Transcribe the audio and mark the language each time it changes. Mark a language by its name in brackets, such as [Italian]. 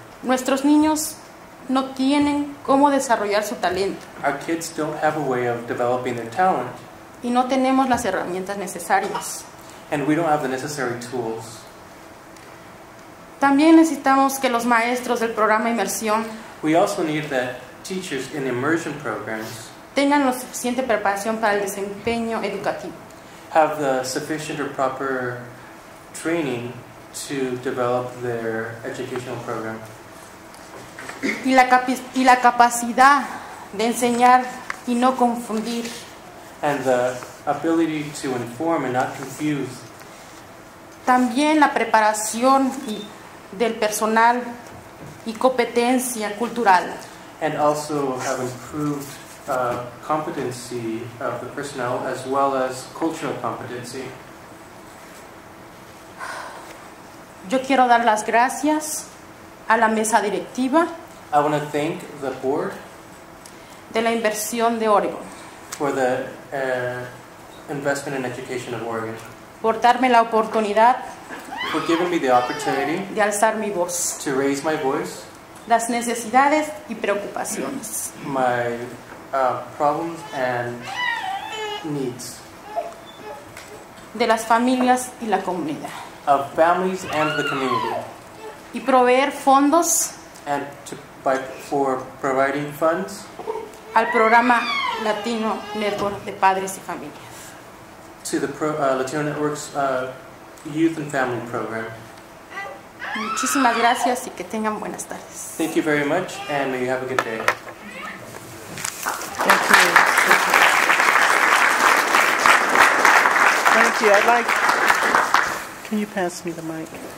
[Spanish] Nuestros niños no tienen cómo desarrollar su talento. [English] Our kids don't have a way of developing their talent. [Spanish] Y no tenemos las herramientas necesarias. [English] And we don't have the necessary tools. [Spanish] También necesitamos que los maestros del programa Inmersión [English] we also need the teachers in immersion programs [Spanish] tengan la suficiente preparación para el desempeño educativo. [English] Have the sufficient or proper training to develop their educational program. [Spanish] y la capacidad de enseñar y no confundir. [English] And the ability to inform and not confuse. [Spanish] También la preparación del personal y competencia cultural. [English] And also have improved competency of the personnel as well as cultural competency. [Spanish] Yo quiero dar las gracias a la mesa directiva. [English] I want to thank the board [Spanish] de la inversión de Oregon [English] for the investment in education of Oregon. [Spanish] Por darme la oportunidad, [English] for giving me the opportunity, [Spanish] de alzar mi voz, [English] to raise my voice, [Spanish] las necesidades y preocupaciones, [English] my problems and needs, [Spanish] de las familias y la comunidad, [English] of families and the community, [Spanish] y proveer fondos, [English] and to, by, for providing funds, [Spanish] al programa Latino Network de Padres y Familias. [English] To the Latino Network's Youth and Family Program. [Spanish] Muchísimas gracias y que tengan buenas tardes. [English] Thank you very much, and may you have a good day. Thank you. Thank you. I'd like. Can you pass me the mic?